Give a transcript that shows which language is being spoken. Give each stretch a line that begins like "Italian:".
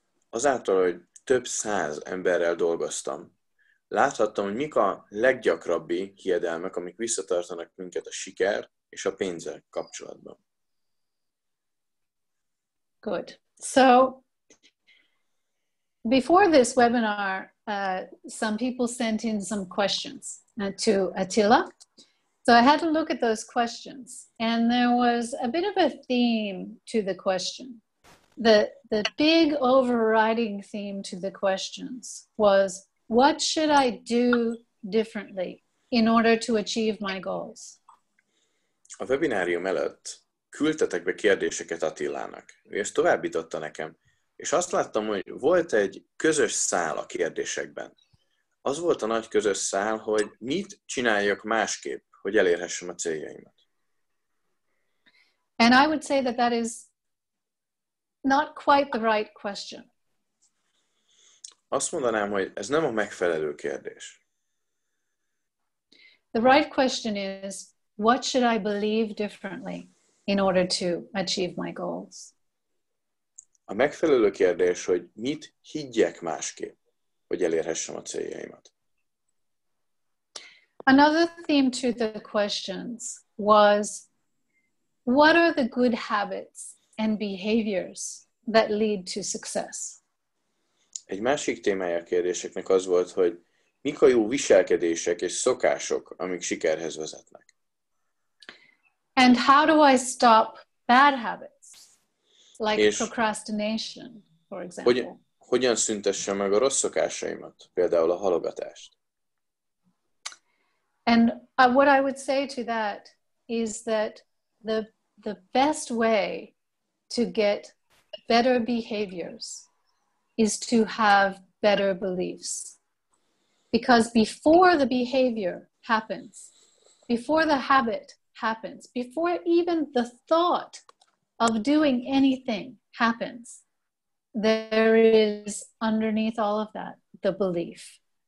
Hungarian: Azáltal, hogy több száz emberrel dolgoztam, láthattam, hogy mik a leggyakrabbi hiedelmek, amik visszatartanak minket a siker és a pénzzel kapcsolatban.
English: Good. So, before this webinar, some people sent in some questions to Attila. So I had to look at those questions, and there was a bit of a theme to the question. The big overriding theme to the questions was, what should I do differently in order to achieve my goals?
Hungarian: A webinárium előtt küldtetek be kérdéseket Attilának, ő ezt továbbította nekem, és azt láttam, hogy volt egy közös szál a kérdésekben. Az volt a nagy közös szál, hogy mit csináljak másképp, hogy elérhessem a céljaimat.
English: And I would say that that is not quite the right question.
Hungarian: Azt mondanám, hogy ez nem a megfelelő kérdés.
English: The right question is, what should I believe differently in order to achieve my goals?
Hungarian: A megfelelő kérdés, hogy mit higgyek másképp, hogy elérhessem a céljaimat.
English: Another theme to the questions was, what are the good habits and behaviors that lead to success?
Hungarian: Egy másik témája a kérdéseknek az volt, hogy mik a jó viselkedések és szokások, amik sikerhez vezetnek.
English: And how do I stop bad habits, like procrastination, for example?
Hungarian: Hogyan szüntessem meg a rossz szokásaimat, például a halogatást?
English: And what I would say to that is that the best way to get better behaviors is to have better beliefs. Because before the behavior happens, before the habit happens, before even the thought of doing anything happens, there is underneath all of that the belief.